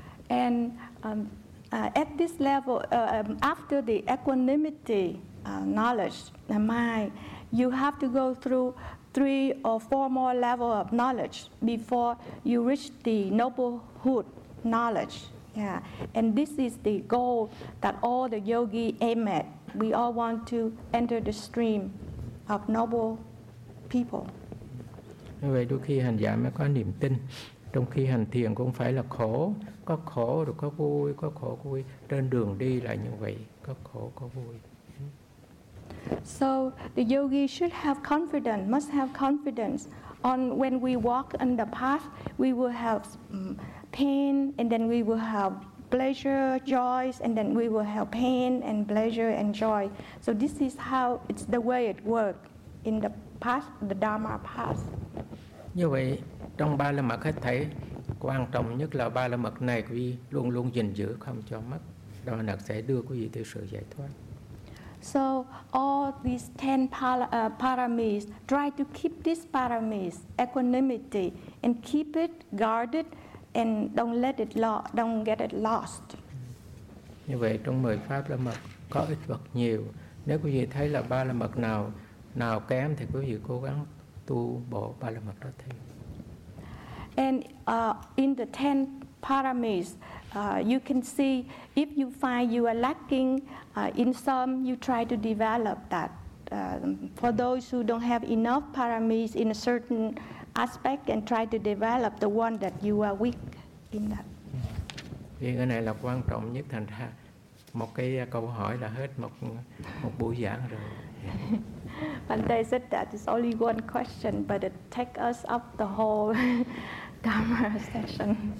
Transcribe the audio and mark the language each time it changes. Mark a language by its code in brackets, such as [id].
[en] And at this level, after the equanimity knowledge, the mind, you have to go through three or four more level of knowledge before you reach the noblehood knowledge. Yeah, and this is the goal that all the yogi aim at. We all want to enter the stream of noble people. [vi] Vậy đôi khi hành giả mới có niềm tin, trong khi hành thiền cũng phải là khổ, có khổ rồi có vui, có khổ có vui, trên đường đi là như vậy, có khổ có vui. [en] So the yogi should have confidence, must have confidence on when we walk on the path, we will have pain and then we will have pleasure, joys, and then we will have pain and pleasure and joy. So this is how it's the way it works in the path, the Dharma path. [vi] Như vậy, trong ba la mật hết thảy, quan trọng nhất là ba la mật này quý vị luôn luôn gìn giữ không cho mất. Đó là sẽ đưa quý vị tới sự giải thoát. [en] So all these 10 paramis, try to keep this paramis, equanimity, and keep it guarded and don't get it lost. [vi] Như vậy, trong 10 pháp la mật có ít vật nhiều. Nếu quý vị thấy là ba la mật nào kém thì quý vị cố gắng tu bộ ba la mật đó thêm. [en] And in the 10 paramis. You can see if you find you are lacking in some, you try to develop that. For those who don't have enough paramis in a certain aspect and try to develop the one that you are weak in that. [vi] Thì cái này là quan trọng nhất, thành ra một cái câu hỏi là hết một một buổi giảng rồi. [en] Bhante said that it's only one question, but it takes us up the whole Dharma session.